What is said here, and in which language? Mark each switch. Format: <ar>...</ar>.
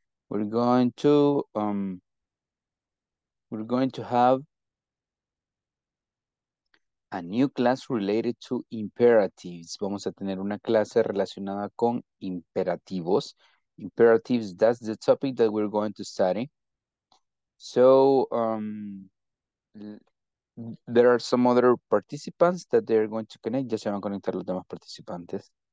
<en>We're going to have a new class related to imperatives.</en> <es>Vamos a tener una clase relacionada con imperativos.</es> <en>Imperatives, that's the topic that we're going to study. So, there are some other participants that they're going to connect.</en> <es>Ya se van a conectar los demás participantes.</es>